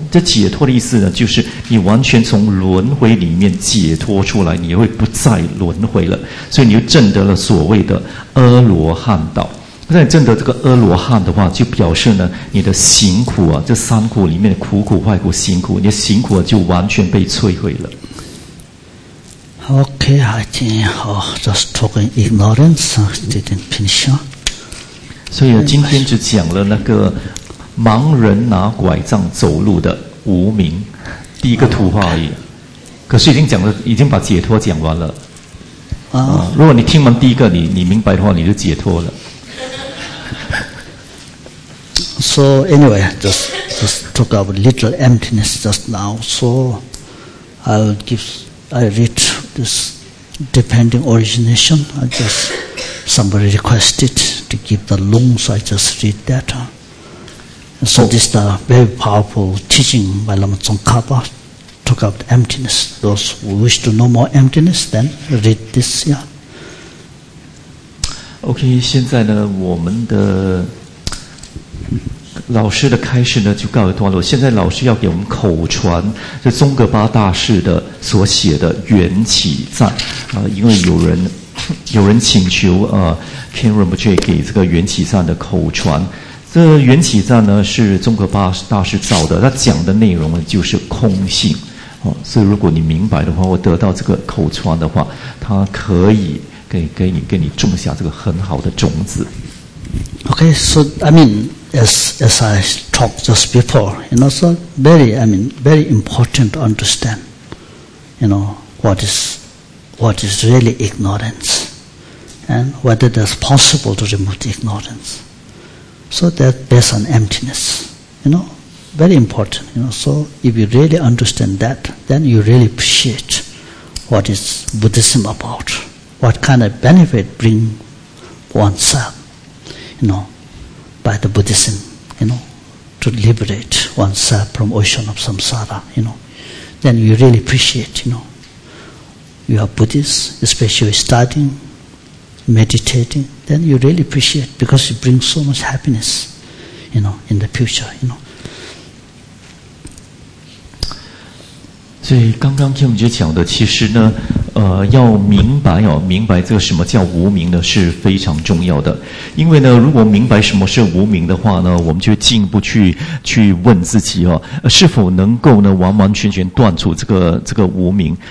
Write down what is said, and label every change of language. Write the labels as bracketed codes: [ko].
[zh] 这解脱的意思呢，就是你完全从轮回里面解脱出来，你会不再轮回了。所以你就证得了所谓的阿罗汉道。在证得这个阿罗汉的话，就表示呢你的行苦啊，这三苦里面的苦苦坏苦行苦，你的行苦、啊、就完全被摧毁了。 [en] OK, I think、just talking ignorance didn't finish. [zh] 所以今天只讲了那个盲人拿拐杖走路的无名第一个图画而已、可是已经讲了，已经把解脱讲完了、如果你听完第一个你明白的话，你就解脱了。 [en] So anyway, just talk about little emptiness just now. So I read this dependent origination. I just, somebody requested to give the long, so I just read that. So this is a very powerful teaching by Lama Tsongkhapa, talk about emptiness. Those who wish to know more emptiness, then read this, yeah. [zh] OK, 现在呢我们的老师的开始呢就告一段落。现在老师要给我们口传这宗格巴大师的所写的缘起赞、因为有人请求Ken Rinpoche 给这个缘起赞的口传。这缘起赞呢是宗格巴大师造的，他讲的内容呢就是空性、所以如果你明白的话，我得到这个口传的话，他可以给你种下这个很好的种子。 [en] Okay, so I mean, as I talked just before, you know, so very important to understand, you know, what is really ignorance, and whether that's possible to remove the ignorance. So that based on emptiness, you know, very important. You know, so if you really understand that, then you really appreciate what is Buddhism about. What kind of benefit bring oneself, you know, by the Buddhism, you know, to liberate oneself from ocean of samsara, you know. Then you really appreciate, you know, you are Buddhist, especially studying, meditating, then you really appreciate because it brings so much happiness, you know, in the future, you know. [zh] 所以刚刚 Kim 就讲的，其实呢，要明白哦，明白这个什么叫无明呢，是非常重要的。因为呢，如果明白什么是无明的话呢，我们就进一步去问自己哦，是否能够呢完完全全断除这个无明？